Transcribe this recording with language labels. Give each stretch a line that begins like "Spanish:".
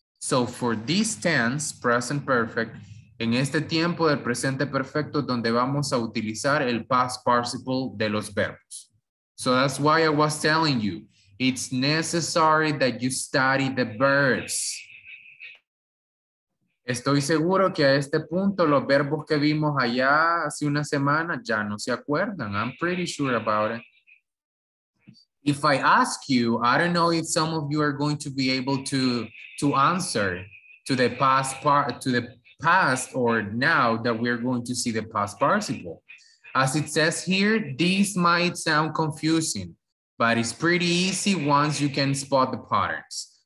English: So for this tense, present perfect,
Spanish: en este tiempo del presente perfecto, donde vamos a utilizar el
English: past participle de los verbos. So that's why I was telling you, it's necessary that you study the verbs.
Spanish: Estoy seguro que a este punto los verbos que vimos allá hace una semana ya no se acuerdan.
English: I'm pretty sure about it. If I ask you, I don't know if some of you are going to be able to answer to the past part, to the past or now that we're going to see the past participle. As it says here, this might sound confusing, but it's pretty easy once you can spot the patterns.